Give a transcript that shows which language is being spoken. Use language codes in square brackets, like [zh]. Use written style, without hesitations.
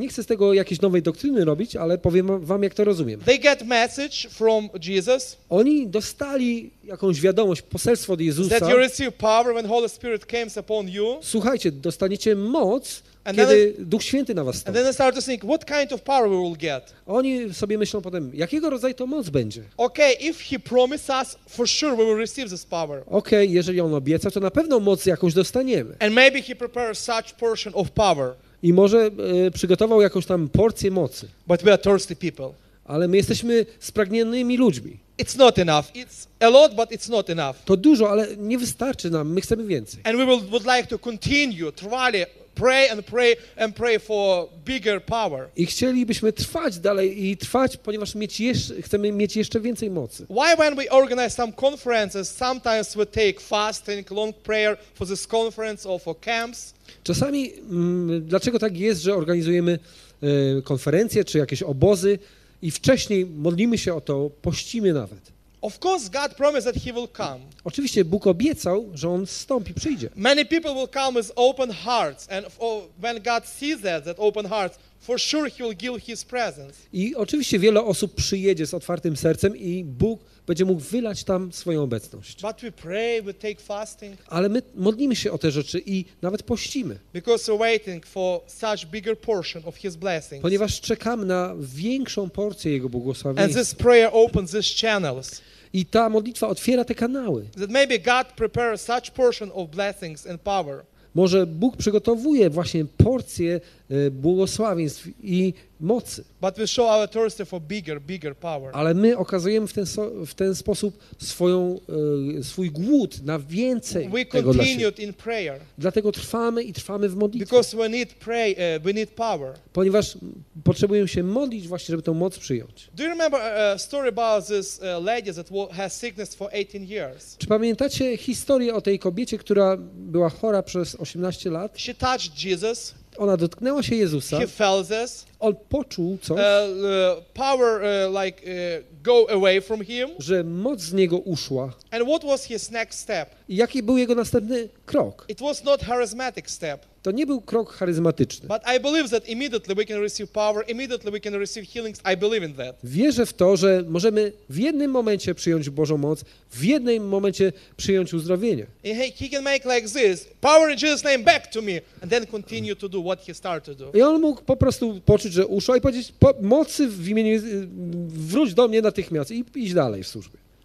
[pl] Nie chcę z tego jakiejś nowej doktryny robić, ale powiem wam, jak to rozumiem. [en] They get message from Jesus. [pl] Oni dostali jakąś wiadomość, poselstwo od Jezusa. [en] That you receive power when Holy Spirit comes upon you. [pl] Słuchajcie, dostaniecie moc, kiedy Duch Święty na was stąpi. [en] And then they start to think, what kind of power we will get? [pl] Oni sobie myślą potem, jakiego rodzaju to moc będzie? [en] Okay, if he promised us, for sure we will receive this power. [pl] Okay, jeżeli on obieca, to na pewno moc jakąś dostaniemy. [en] And maybe he prepares such portion of power. [pl] I może przygotował jakąś tam porcję mocy. [en] But we are thirsty people. [pl] ale my jesteśmy spragnionymi ludźmi. [en] It's not enough. It's a lot, but it's not enough. [pl] To dużo, ale nie wystarczy nam. My chcemy więcej. [en] And we would like to continue, truly pray and pray and pray for bigger power. [pl] I chcielibyśmy trwać dalej i trwać, ponieważ chcemy mieć jeszcze więcej mocy. [en] Why when we organize some conferences, sometimes we take fasting, long prayer for this conference or for camps. [pl] Czasami dlaczego tak jest, że organizujemy konferencje czy jakieś obozy? I wcześniej modlimy się o to, pościmy nawet. [en] Of course God promised that he will come. [pl] Oczywiście Bóg obiecał, że on zstąpi, przyjdzie. [en] Many people will come with open hearts and when God sees that open hearts, for sure he will give his presence. [pl] I oczywiście wiele osób przyjedzie z otwartym sercem i Bóg będzie mógł wylać tam swoją obecność. [en] But we pray, we take fasting. [pl] Ale my modlimy się o te rzeczy i nawet pościmy. [en] Because we're waiting for such bigger portion of his blessings. [pl] Ponieważ czekamy na większą porcję Jego błogosławieństwa. [en] And this prayer opens these channels. [pl] I ta modlitwa otwiera te kanały. [en] That maybe God prepares such portion of blessings and power. [pl] Może Bóg przygotowuje właśnie porcję błogosławieństw i mocy. [en] But we show our thirst for bigger, bigger power. [pl] Ale my okazujemy w ten sposób swój głód na więcej [en] we [pl] tego dla siebie. [en] In prayer. [pl] Dlatego trwamy i trwamy w modlitwie. [en] Because we need pray, we need power. [pl] Ponieważ potrzebujemy się modlić właśnie, żeby tą moc przyjąć. [en] Do you remember a story about this lady that has sickness for 18 years? [pl] Czy pamiętacie historię o tej kobiecie, która była chora przez 18 lat? [en] She touched Jesus. [pl] Ona dotknęła się Jezusa. [en] He felt this. [pl] On poczuł coś. [en] Power like go away from him. [pl] Że moc z niego uszła. [en] And what was his next step? [pl] I jaki był jego następny krok? [en] It was not charismatic step. [pl] To nie był krok charyzmatyczny. [en] But I believe that immediately we can receive power, immediately we can receive healings. I believe in that. [pl] Wierzę w to, że możemy w jednym momencie przyjąć Bożą moc, w jednym momencie przyjąć uzdrowienie. [en] He can make like this. Power in Jesus' name back to me and then continue to do what he started to do. [pl] I on mógł po prostu poczuć, że uszła i powiedzieć po mocy w imieniu wróć do mnie natychmiast i iść dalej w służbie.